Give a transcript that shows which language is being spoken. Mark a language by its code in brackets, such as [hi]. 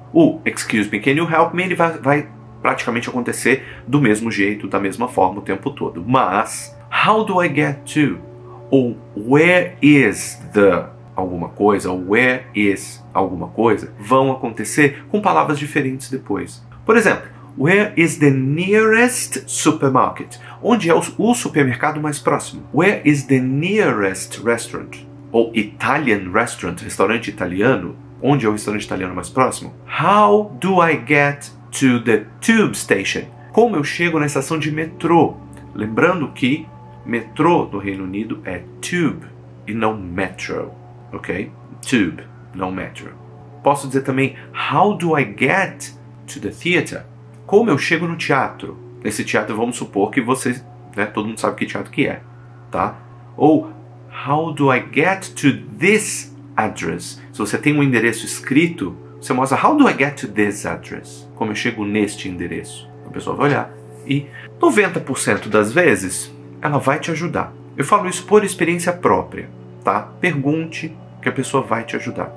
[pt] O [en] excuse me, can you help me, [pt] ele vai praticamente acontecer do mesmo jeito, da mesma forma o tempo todo. Mas, [en] how do I get to? [pt] Ou [en] where is the [pt] alguma coisa, [en] where is [pt] alguma coisa, vão acontecer com palavras diferentes depois. Por exemplo, [en] Where is the nearest supermarket? [pt] Onde é o supermercado mais próximo? [en] Where is the nearest restaurant? [pt] Ou [en] Italian restaurant, [pt] restaurante italiano? Onde é o restaurante italiano mais próximo? [en] How do I get to the tube station? [pt] Como eu chego na estação de metrô? Lembrando que metrô no Reino Unido é tube e não metro, ok? Tube, não metro. Posso dizer também, [en] how do I get to the theater? [pt] Como eu chego no teatro? Nesse teatro, vamos supor que você, né, todo mundo sabe que teatro que é, tá? [en] Ou, how do I get to this address? [pt] Se você tem um endereço escrito, você mostra, [en] how do I get to this address? [pt] Como eu chego neste endereço? A pessoa vai olhar e 90% das vezes, ela vai te ajudar. Eu falo isso por experiência própria, tá? Pergunte que a pessoa vai te ajudar.